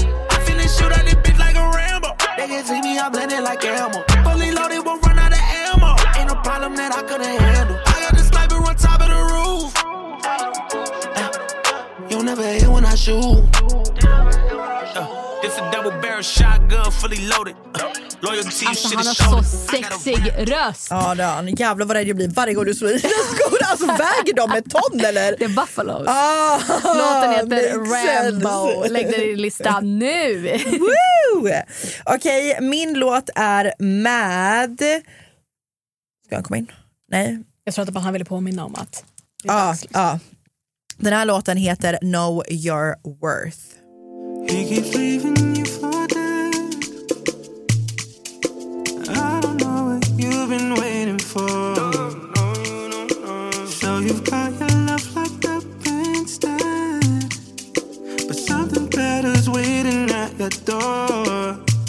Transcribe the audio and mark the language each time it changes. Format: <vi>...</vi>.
<en>I finna shoot at this bitch like a Rambo. They can see me, I'm blending like ammo. Fully loaded, won't run out of ammo. Ain't no problem that I couldn't handle. I got the sniper on top of the roof. You never hear when I shoot. This a double barrel shotgun, fully loaded.</en> <sv>Loyalty, alltså, shit, han har så sexig röst. Ja, det är han. Jävlar vad rädd jag blir varje gång du slår i den skolan. Alltså, väger de ett ton eller? Det är Buffaloes. Ah, låten heter Rambo. Lägg den i listan nu. Okej, min låt är med... Ska han komma in? Nej. Jag tror att han ville påminna om att... Den här låten heter Know Your Worth.</sv> <en>He keeps leaving you for been waiting for no. So you've got your love locked up instead, but something better's waiting at your door.</en>